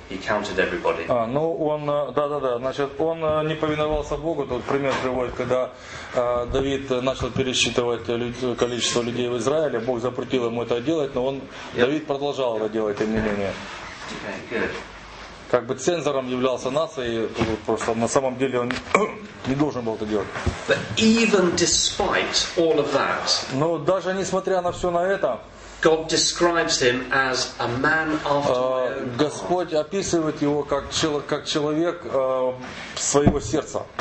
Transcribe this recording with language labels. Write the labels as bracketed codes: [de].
[en] He counted everybody. [ru] А, ну он, да-да-да, значит, он не повиновался Богу. Тут пример приводит, когда Давид начал пересчитывать количество людей в Израиле, Бог запретил ему это делать, но он, Давид продолжал это делать, тем не менее. Как бы цензором являлся нацией, просто на самом деле он не должен был это делать. [en] But even despite all of that, [ru] но даже несмотря на все на это, [en] God describes him as a man after my own heart. [ru] Господь описывает его как человек своего сердца.